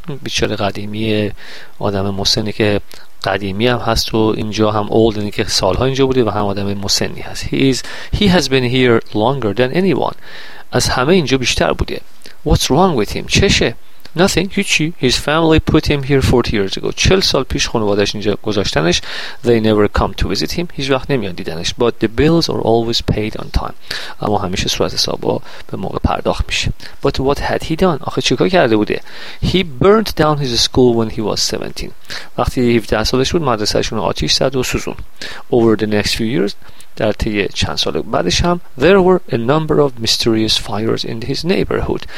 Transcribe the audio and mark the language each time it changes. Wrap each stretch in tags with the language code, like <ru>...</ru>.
<fa>بیچار قدیمی، آدم مسنی که قدیمی هم هست و اینجا هم old اینه که سالها اینجا بوده و هم آدم مسنی هست.</fa> <en>He has been here longer than anyone.</en> <fa>از همه اینجا بیشتر بوده.</fa> <en>What's wrong with him?</en> <fa>چشه؟</fa> <en>Nothing.</en> <fa>هیچی.</fa> <en>His family put him here 40 years ago.</en> <fa>40 سال پیش خانوادش اینجا گذاشتنش.</fa> <en>They never come to visit him.</en> <fa>هیچ وقت نمیان دیدنش.</fa> <en>But the bills are always paid on time.</en> <fa>اما همیشه صورت حساب به موقع پرداخت میشه.</fa> <en>But what had he done?</en> <fa>آخه چیکار کرده بوده؟</fa> <en>He burnt down his school when he was 17.</en> <fa>وقتی 17 سالش بود مدرسهشون آتیش زد و سوزون.</fa> <en>Over the next few years,</en> <fa>در طی چند سال بعدش هم</fa> <en>there were a number of mysterious fires in his neighborhood.</en>